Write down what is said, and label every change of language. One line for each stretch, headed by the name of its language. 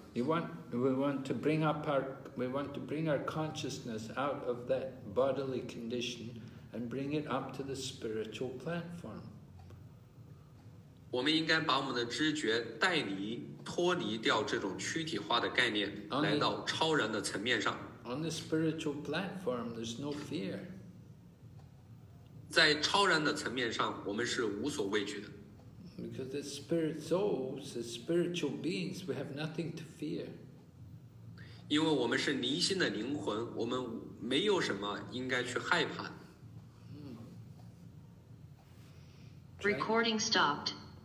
English: We want to bring our consciousness out of that bodily condition. And bring it up to the spiritual platform.
Chinese: 我们应该把我们的知觉带离、脱离掉这种躯体化的概念，来到超然的层面上。
English: On the spiritual platform, there's no fear.
Chinese: 在超然的层面上，我们是无所畏惧的。
English: Because the spirit souls, the spiritual beings, we have nothing to fear.
Chinese: 因为我们是离心的灵魂，我们没有什么应该去害怕的。
English: Recording stopped.